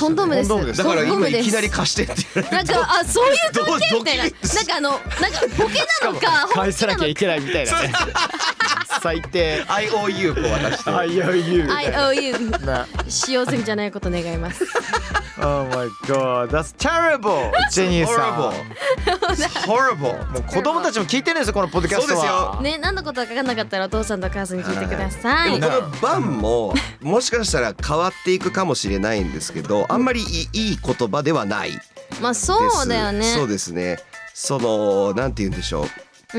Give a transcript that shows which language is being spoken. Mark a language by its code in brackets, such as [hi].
[ja] コンドームです、だから今いきなり貸してって言われて、そういう関係みたいな、なんかなんかボケなのか返さなきゃいけないみたいなね最低 IOU を渡して IOU 使用済みじゃないこと願います。 [en] Oh my god, that's terrible! [ja] ジェニーさん、 [en] horrible! [ja] もう子供たちも聞いてるんですよ、このポッドキャストは。そうですよ、ね、何のことは分かんなかったらお父さんとお母さんに聞いてください。でもこのバンももしかしたら変わっていくかもしれないんですけど、あんまりいい言葉ではない。まあそうだよね、そうですね、そのなんて言うんでしょう、